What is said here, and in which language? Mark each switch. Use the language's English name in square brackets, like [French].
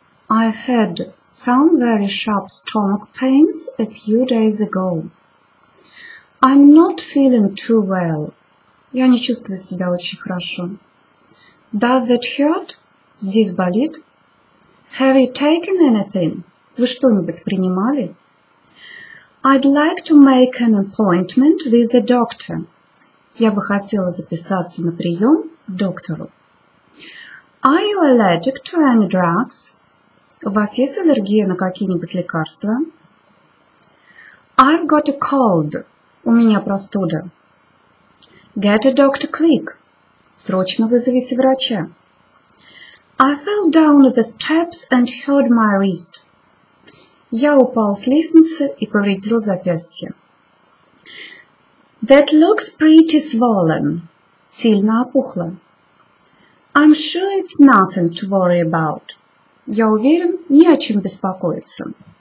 [English] I had some very sharp stomach pains a few days ago. I'm not feeling too well. [Russian] Я не чувствую себя очень хорошо. [English] Does that hurt? [Russian] Здесь болит? [English] Have you taken anything? [Russian] Вы что-нибудь принимали? [English] I'd like to make an appointment with the doctor. [Russian] Я бы хотела записаться на прием к доктору. [English] Are you allergic to any drugs? [Russian] У вас есть аллергия на какие-нибудь лекарства? [English] I've got a cold. [Russian] У меня простуда. [English] Get a doctor quick. [Russian] Срочно вызовите врача. [English] I fell down the steps and hurt my wrist. [Russian] Я упал с лестницы и повредил запястье. [English] That looks pretty swollen. [Russian] Сильно опухло. [English] I'm sure it's nothing to worry about. [Russian] Я уверен, не о чем беспокоиться.